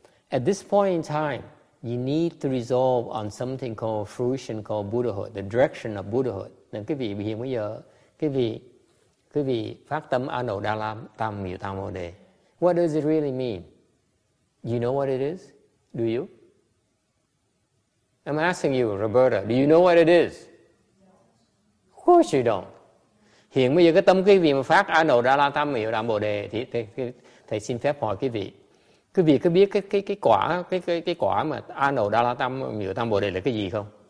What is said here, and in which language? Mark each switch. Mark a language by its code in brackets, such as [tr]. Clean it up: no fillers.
[en] At this point in time, you need to resolve on something called fruition, called Buddhahood, the direction of Buddhahood. [vi] Nên cái vị hiện bây giờ, cái vị phát tâm Anuddha Tam Miệu Tam Bồ Đề, [en] What does it really mean? You know what it is? Do you? I'm asking you, Roberta, do you know what it is? Of course you don't. [vi] Hiện bây giờ cái tâm quý vị mà phát A Nậu Đa La Tam Miệu Đàm Bồ Đề thì thầy xin phép hỏi quý vị. Quý vị có biết cái quả mà A Nậu Đa La Tam Miệu Tam Bồ Đề là cái gì không?